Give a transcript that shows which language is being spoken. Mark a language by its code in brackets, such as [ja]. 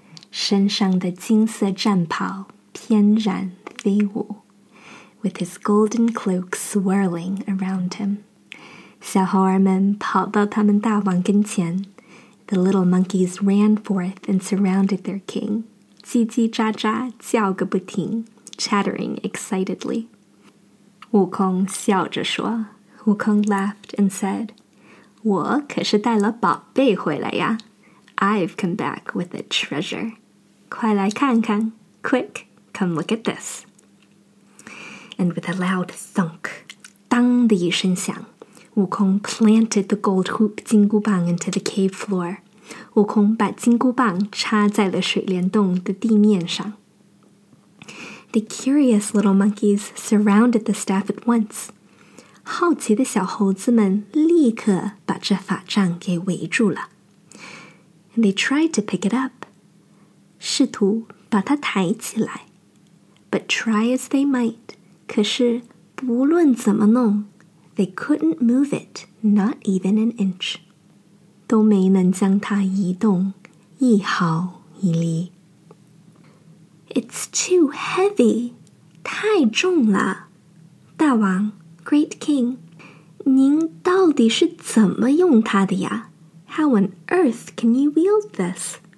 [zh] 身上的金色战袍翩然飞舞。 [en] With his golden cloak swirling around him. [zh] 小猴儿们跑到他们大王跟前。 [en] The little monkeys ran forth and surrounded their king, [zh] 叽叽喳喳叫个不停, [en] chattering excitedly. [zh] 悟空笑着说, 悟空 [en] laughed and said, [zh] 我可是带了宝贝回来呀。 [en] I've come back with a treasure. [zh] 快来看看, [en] quick, come look at this. And with a loud thunk, [zh] 当的一声响, [en] 悟空 planted the gold hoop 金箍棒 into the cave floor. [zh] 悟空把金箍棒插在了水帘洞的地面上。 [en] The curious little monkeys surrounded the staff at once. [zh] 好奇的小猴子们立刻把这法杖给围住了。 [en] And they tried to pick it up, [zh] 试图把它抬起来。 [en] But try as they might, [zh] 可是不论怎么弄 [en] they couldn't move it, not even an inch. [zh] 都没能将它移动一毫一厘。 [en] It's too heavy, [zh] 太重了。 [en] 大王 great king, [zh] 您到底是怎么用它的呀 [en] How on earth can you wield this?